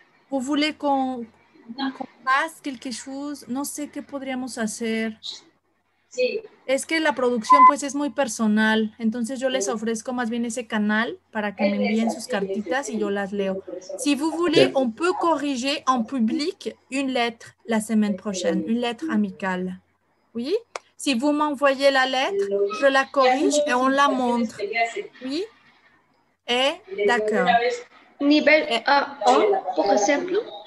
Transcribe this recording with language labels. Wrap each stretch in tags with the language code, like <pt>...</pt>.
<fr>¿Vous voulez qu'on fasse quelque chose?</fr> <es>No sé qué podríamos hacer. Sí. Es que la producción pues es muy personal, entonces yo les ofrezco más bien ese canal para que me envíen sus cartitas y yo las leo.</es> <fr>Si vous voulez, on peut corriger en public une lettre la semaine prochaine, une lettre amicale. Oui? Si vous m'envoyez la lettre, je la corrige et on la montre. Oui? Et d'accord. Niveau 1, pour exemple.</fr>